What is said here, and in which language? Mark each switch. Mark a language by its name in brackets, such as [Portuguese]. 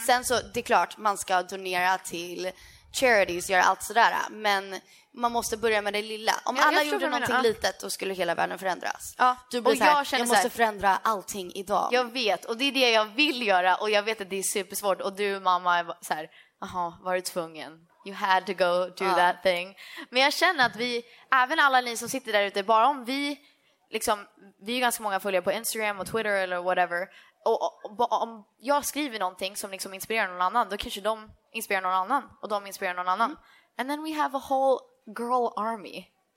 [Swedish] Sen så, det är klart, man ska donera till charities, göra allt sådär. Men... man måste börja med det lilla. Om alla gjorde någonting litet, då skulle hela världen förändras. Ja. Du blir och såhär, jag måste förändra allting idag. Jag vet, och det är det jag vill göra. Och jag vet att det är supersvårt. Och du, mamma, är såhär, aha, var du tvungen? [English] You had to go do that thing. [Swedish] Men jag känner att vi, även alla ni som sitter där ute, bara om vi, liksom, vi är ganska många följare på Instagram och Twitter eller whatever. Och om jag skriver någonting som liksom inspirerar någon annan, då kanske de inspirerar någon annan. Och de inspirerar någon annan. [English] Mm. And then we have a whole... girl army.